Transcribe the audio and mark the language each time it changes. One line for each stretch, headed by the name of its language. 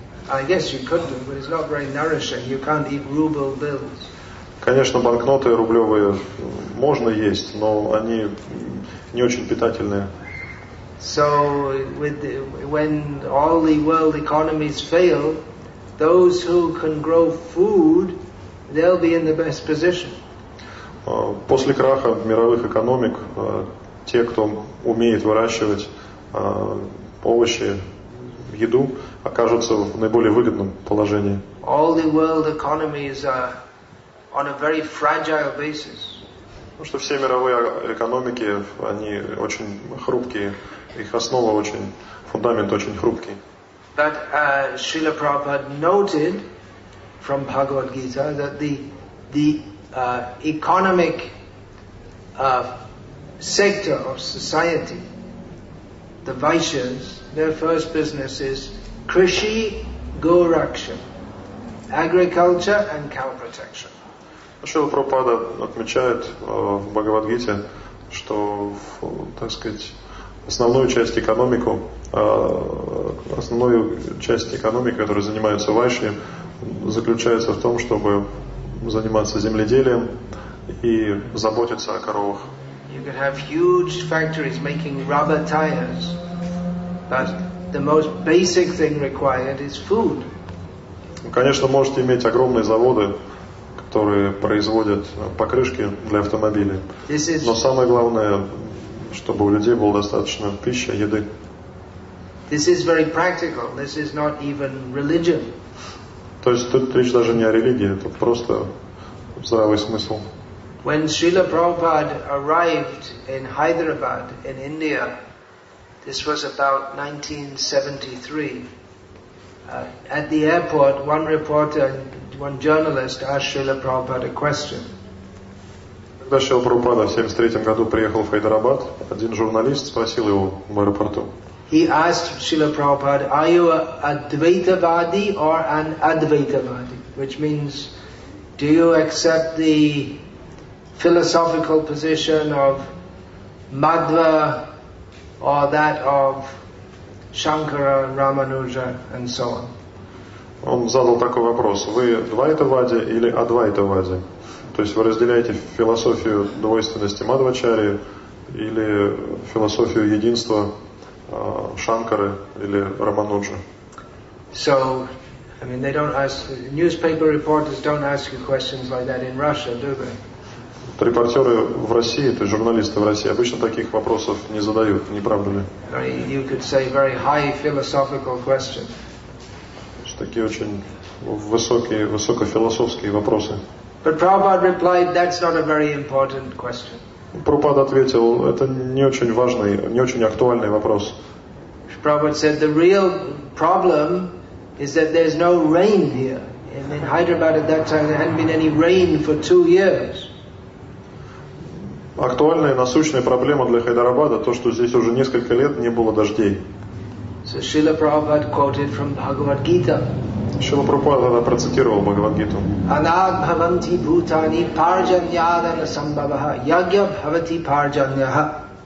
English: I guess you could, but it's not very nourishing. You can't eat ruble bills.
Russian: Конечно, банкноты рублевые можно есть, но они не очень питательные.
English: So, when all the world economies fail, those who can grow food, they'll be in the best position.
Russian: После краха мировых экономик, те, кто умеет выращивать овощи, еду, окажутся в наиболее выгодном положении.
English: All the world economies are on a very fragile basis.
Russian: Потому что все мировые экономики, они очень хрупкие, их основа очень, фундамент очень хрупкий.
English: But Srila Prabhupada noted from Bhagavad Gita that the economic sector of society, the Vaishyas, their first business is Krishi Gorakshan, agriculture and cow protection.
Russian: Шрила Прабхупада отмечает в Бхагавад-гите, что, так сказать, основную часть экономики, которой занимаются Вайши, заключается в том, чтобы заниматься земледелием и заботиться о коровах.
English: You could have huge factories making rubber tires, but the most basic thing required is food.
Russian: Конечно, можете иметь огромные заводы, которые производят покрышки для автомобилей. Но самое главное, чтобы у людей было достаточно пищи, еды.
English: This is very practical. This is not even religion.
Russian: То есть тут речь даже не о религии, это просто здравый смысл.
English: When Srila Prabhupada arrived in Hyderabad in India, this was about 1973. At the airport, one reporter, one journalist asked Srila Prabhupada a question.
Russian: Когда Шрила Прабхупада в 73 году приехал в Хайдарабад, один журналист спросил его в аэропорту.
English: He asked Srila Prabhupada, "Are you a Advaitavadi or an Advaitavadi?" Which means, "Do you accept the philosophical position of Madhva or that of Shankara, Ramanuja, and so on?"
Russian: Он задал такой вопрос: "Вы Двайтавади или Адвайтавади? То есть вы разделяете философию двойственности Мадвачари или философию единства Шанкары или Рамануджа?"
English: So, I mean, they don't ask, newspaper reporters don't ask you questions like that in Russia, do they?
Russian: Репортеры в России, то есть журналисты в России, обычно таких вопросов не задают, не правда ли?
English: You could say very high philosophical question.
Russian: Такие очень высокие, высокофилософские вопросы.
English: But Prabhupada replied, "That's not a very important question."
Russian: Prabhupada ответил, это не очень важный, не очень актуальный вопрос.
English: Prabhupada said, "The real problem is that there's no rain here. In Hyderabad at that time there hadn't been any rain for 2 years."
Russian: Актуальная, насущная проблема для Хайдарабада то, что здесь уже несколько лет не было дождей.
English: So Srila Prabhupada quoted from Bhagavad Gita.
Russian: Srila Prabhupada процитировал Бхагавад Гиту.
Sanskrit: Anabhavanti bhutani parjanyadana sambhavaha yagya bhavati parjanyaha.